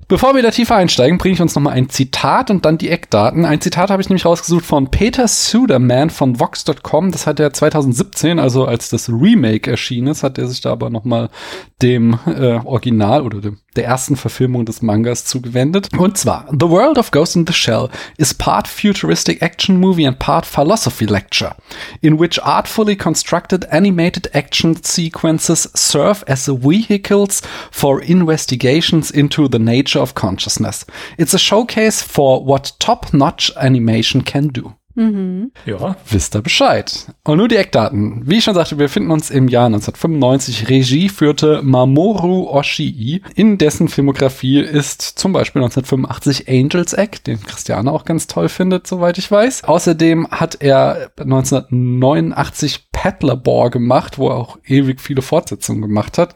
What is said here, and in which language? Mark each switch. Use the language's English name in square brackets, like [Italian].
[German] Bevor wir da tiefer einsteigen, bringe ich uns nochmal ein Zitat und dann die Eckdaten. Ein Zitat habe ich nämlich rausgesucht von Peter Suderman von Vox.com. Das hat er 2017, also als das Remake erschienen ist, hat er sich da aber nochmal dem Original oder der ersten Verfilmung des Mangas zugewendet. Und zwar, [English] The World of Ghost in the Shell is part futuristic action movie and part philosophy lecture, in which artfully constructed animated action sequences serve as vehicles for investigations into the nature of consciousness. It's a showcase for what top-notch animation can do. [German] Mhm. Ja. Wisst ihr Bescheid. Und nur die Eckdaten. Wie ich schon sagte, wir finden uns im Jahr 1995. Regie führte Mamoru Oshii. In dessen Filmografie ist zum Beispiel 1985 Angel's Egg, den Christiane auch ganz toll findet, soweit ich weiß. Außerdem hat er 1989 Paddlerbore gemacht, wo er auch ewig viele Fortsetzungen gemacht hat.